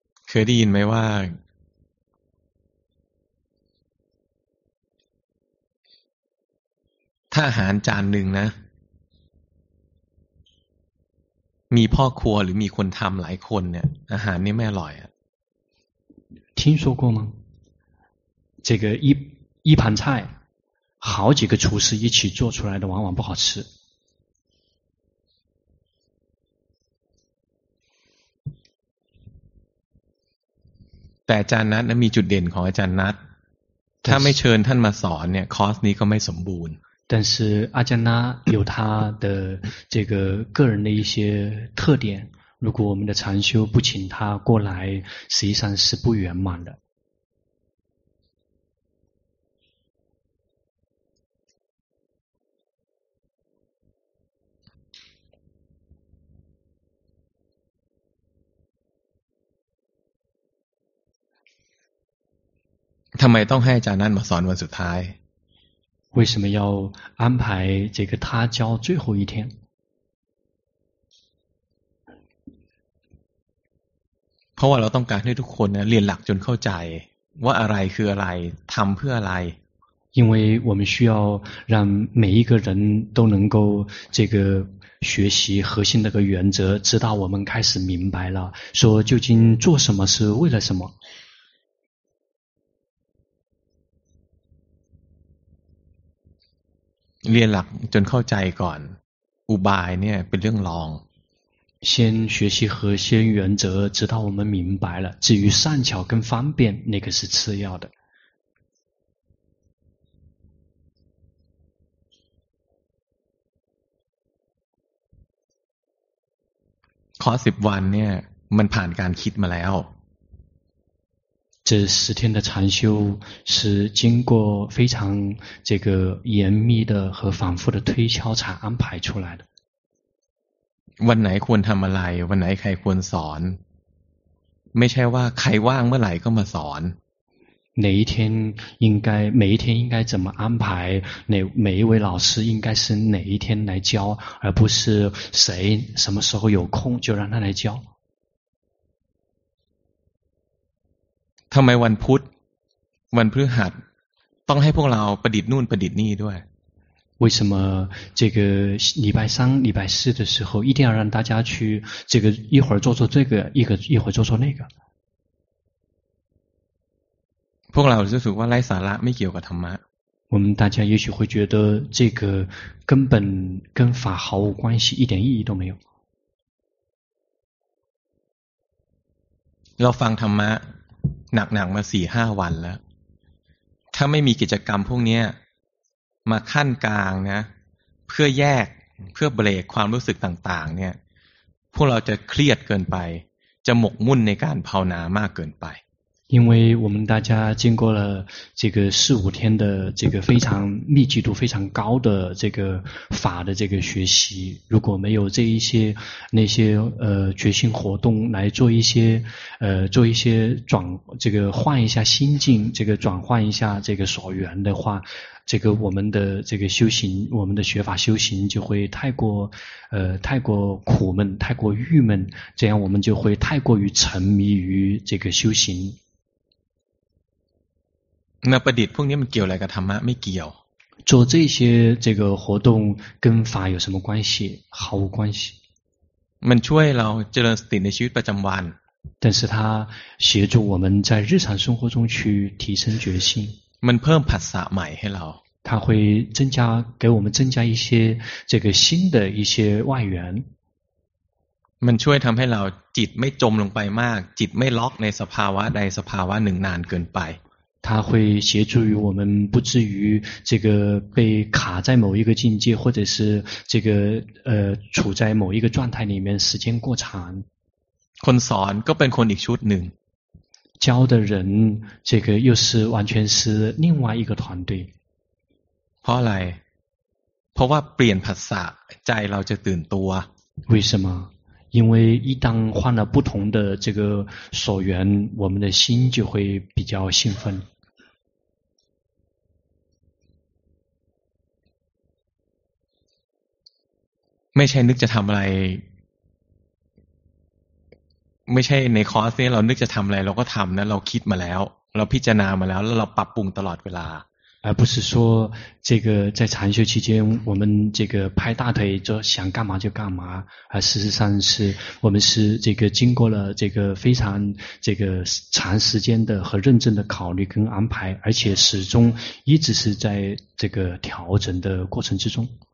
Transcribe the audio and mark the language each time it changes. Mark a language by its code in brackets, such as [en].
[th] คยได้ยินไหมว่าถ้าอาหารจานหนึ่งนะมีพ่อครัวหรือมีคนทำหลายคนเนี่ยอาหารนี่ไม่อร่อยอ่ะ [zh] 听说过吗这个一盘菜好几个厨师一起做出来的往往不好吃 [th] แต่จานนัทนะมีจุดเด่นของอาจารย์นัทถ้าไม่เชิญท่านมาสอนเนี่ยคอร์สนี้ก็ไม่สมบูรณ์ [zh] 但是阿加那有他的这个个人的一些特点，如果我们的禅修不请他过来，实际上是不圆满的。 [th] ทำไมต้องให้อาจารย์นั่นมาสอนวันสุดท้าย [zh] 为什么要安排这个他教最后一天？ [th] เพราะว่าเราต้องการให้ทุกคนเรียนหลักจนเข้าใจว่าอะไรคืออะไรทำเพื่ออะไร [zh] 因为我们需要让每一个人都能够这个学习核心的个原则，直到我们开始明白了，说究竟做什么是为了什么。 [th] เรียนหลักจนเข้าใจก่อนอุบายเนี่ยเป็นเรื่องรอง [zh] 先学习核心原则直到我们明白了至于善巧跟方便那个是次要的 [th] คอร์ส 10 วันเนี่ยมันผ่านการคิดมาแล้ว [zh] 这十天的禅修是经过非常这个严密的和反复的推敲才安排出来的。 [th] วันไหนควรทำอะไรวันไหนใครควรสอนไม่ใช่ว่าใครว่างเมื่อไหร่ก็มาสอน [zh] 哪一天应该每一天应该怎么安排哪每一位老师应该是哪一天来教而不是谁什么时候有空就让他来教。 [th] ทำไมวันพุธวันพฤหัสต้องให้พวกเราประดิษฐ์นู่นประดิษฐ์นี่ด้วย [zh] 为什么这个礼拜三礼拜四的时候一定要让大家去这个一会儿做做这个一会儿做做那个 [th] พวกเรารู้สึกว่าไร้สาระไม่เกี่ยวกับธรรมะ [zh] 我们大家也许会觉得这个根本跟法毫无关系一点意义都没有 [th] เราฟังธรรมะหนักๆมา 4-5 วันแล้วถ้าไม่มีกิจกรรมพวกนี้มาขั้นกลางนะเพื่อแยกเพื่อเบรกความรู้สึกต่างๆเนี่ยพวกเราจะเครียดเกินไปจะหมกมุ่นในการภาวนามากเกินไป [zh] 因为我们大家经过了这个四五天的这个非常密集度非常高的这个法的这个学习，如果没有这一些那些决心活动来做一些做一些转这个换一下心境，这个转换一下这个所缘的话，这个我们的这个修行，我们的学法修行就会太过太过苦闷，太过郁闷，这样我们就会太过于沉迷于这个修行。 [th] 那ประดิษฐ์พวกนี้มันเกี่ยวอะไรกับธรรมะไม่เกี่ยว [zh] 做这些这个活动跟法有什么关系毫无关系 [th] มันช่วยเราเจริญสติในชีวิตประจำวัน [zh] 但是它协助我们在日常生活中去提升决心 [th] มันเพิ่มผัสสะใหม่ให้เรา [zh] 它会增加给我们增加一些这个新的一些外缘 [th] มันช่วยทำให้เราจิตไม่จมลงไปมากจิตไม่ล็อกในสภาวะใดสภาวะหนึ่งนานเกินไป [zh] 它会协助于我们不至于这个被卡在某一个境界或者是这个处在某一个状态里面时间过长 [th] คนสอนก็เป็นคนอีกชุดหนึ่ง [zh] 教的人这个又是完全是另外一个团队 [th] เพราะอะไรเพราะว่าเปลี่ยนภาษาใจเราจะตื่นตัว [zh] 为什么因为一旦换了不同的这个所缘，我们的心就会比较兴奋。 [th] ไม่ใช่นึกจะทำอะไร ม่ใช่ในคอร์สเนี่ยเรานึกจะทำอะไรเราก็ทำนะเราคิดมาแล้วเราพิจารณามาแล้วแล้วเราปรับปรุงตลอดเวลา [zh] 而不是说这个在禅修期间我们这个拍大腿就想干嘛就干嘛而事实上是我们是这个经过了这个非常这个长时间的和认真的考虑跟安排而且始终一直是在这个调整的过程之中